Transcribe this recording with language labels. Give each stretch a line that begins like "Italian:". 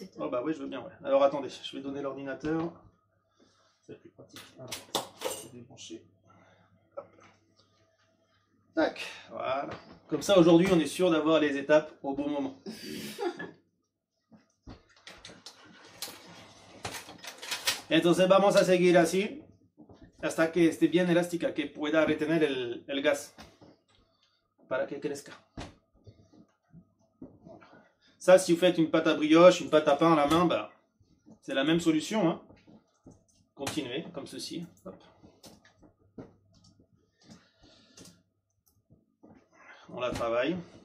French: Oh bah oui, je veux bien. Ouais. Alors attendez, je vais donner l'ordinateur. C'est plus pratique. Alors, je vais débrancher. Tac, voilà. Comme ça, aujourd'hui, on est sûr d'avoir les étapes au bon moment.
Spanish: Entonces, vamos a seguir así hasta que esté bien elástica, que pueda retener el gas para que crezca.
French: Ça, si vous faites une pâte à brioche, une pâte à pain à la main, bah, c'est la même solution, hein. continuer comme ceci. Hop. On la travaille.